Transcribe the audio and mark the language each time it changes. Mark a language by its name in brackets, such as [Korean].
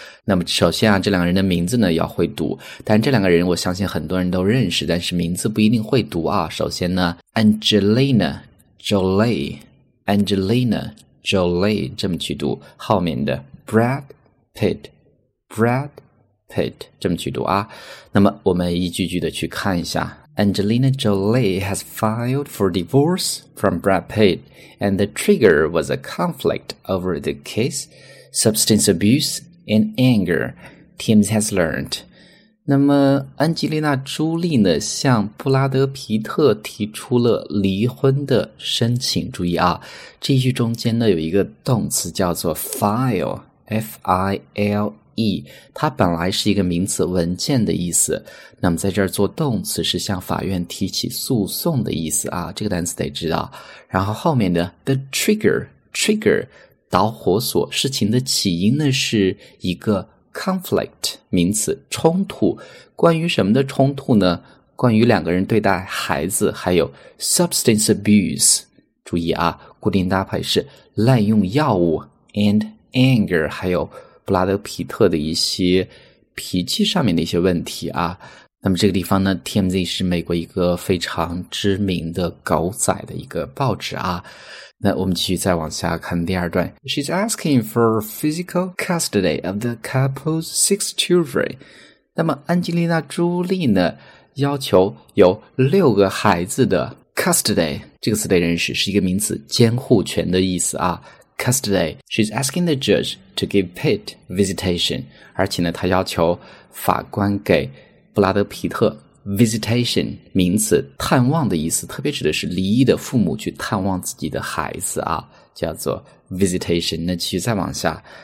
[Chinese] 那么首先啊，这两个人的名字呢要会读，但这两个人我相信很多人都认识，但是名字不一定会读啊。首先呢 Angelina Jolie Angelina Jolie 这么去读，后面的 Brad PittBrad Pitt 这么去读啊。那么我们一句句的去看一下。 [English] Angelina Jolie has filed for divorce from Brad Pitt, and the trigger was a conflict over the kiss, substance abuse, and anger, Teams has learned. [Chinese] 那么安吉丽娜·朱莉呢向布拉德·皮特提出了离婚的申请。注意啊，这一句中间呢有一个动词叫做 file, F-I-L-E,它本来是一个名词，文件的意思，那么在这儿做动词是向法院提起诉讼的意思啊，这个单词得知道。然后后面的 the trigger 导火索，事情的起因呢是一个 conflict 名词，冲突。关于什么的冲突呢？关于两个人对待孩子，还有 substance abuse。注意啊，固定搭配是滥用药物 [English] and anger, [Chinese] 还有布拉德皮特的一些脾气上面的一些问题啊。那么这个地方呢， TMZ 是美国一个非常知名的狗仔的一个报纸啊。那我们继续再往下看第二段。 [English] She's asking for physical custody of the couple's six children. [Chinese] 那么安吉丽娜·朱莉呢要求有六个孩子的 custody, 这个词得认识，是一个名词，监护权的意思啊。 [English] Custody. She's asking the judge to give Pitt visitation. [Chinese] 而且呢，她要求法官给布拉德皮特 visitation, 名词，探望的意思，特别指的是离异的父母去探望自己的孩子啊，叫做 visitation. 那继续再往下。